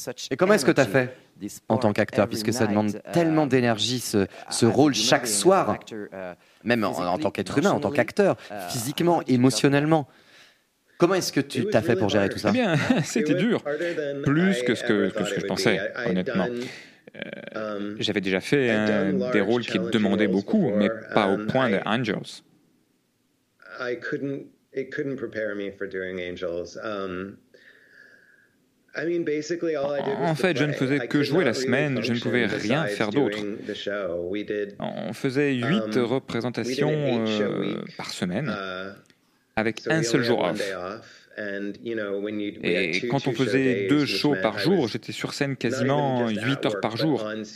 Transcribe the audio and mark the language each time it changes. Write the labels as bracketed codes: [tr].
[fr] Et comment est-ce que tu as fait en tant qu'acteur, puisque ça demande tellement d'énergie, ce rôle chaque soir, même en tant qu'être humain, en tant qu'acteur, physiquement, émotionnellement? Comment est-ce que tu t'as fait pour gérer tout ça? Eh bien, c'était dur, plus que ce que je pensais, honnêtement. J'avais déjà fait des rôles qui demandaient beaucoup, mais pas au point de Angels. [en] It couldn't prepare me for doing Angels. [fr] En fait, je ne faisais que jouer la semaine, je ne pouvais rien faire d'autre. On faisait 8 représentations par semaine, avec un seul jour off. Et quand on faisait 2 shows par jour, j'étais sur scène quasiment 8 heures par jour.